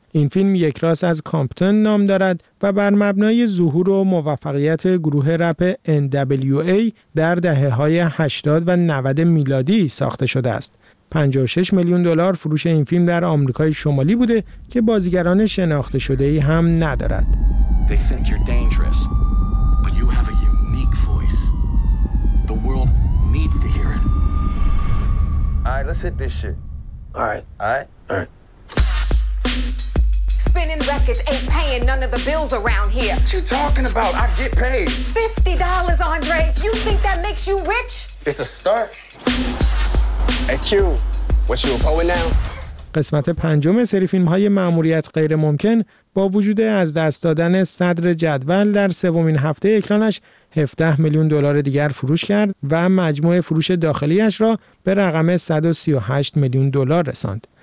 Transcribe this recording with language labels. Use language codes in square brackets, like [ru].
[fa] این فیلم یک راست از کامپتون نام دارد و بر مبنای ظهور و موفقیت گروه رپ NWA در دهه‌های 80 و 90 میلادی ساخته شده است. 56 میلیون دلار فروش این فیلم در آمریکای شمالی بوده که بازیگران شناخته شده ای هم ندارد. [en] They think you're dangerous, but you have a unique voice. The world needs to hear it. All right, let's hit this shit. All right. Spinning records ain't paying none of the bills around here. What you talking about? I get paid. $50, Andre. You think that makes you rich? It's a start. Hey Q, what you a poet now? [fa] قسمت پنجم سری فیلم‌های مأموریت غیر ممکن با وجود از دست دادن صدر جدول در سومین هفته اکرانش 17 میلیون دلار دیگر فروش کرد و مجموع فروش داخلیش را به رقم 138 میلیون دلار رساند.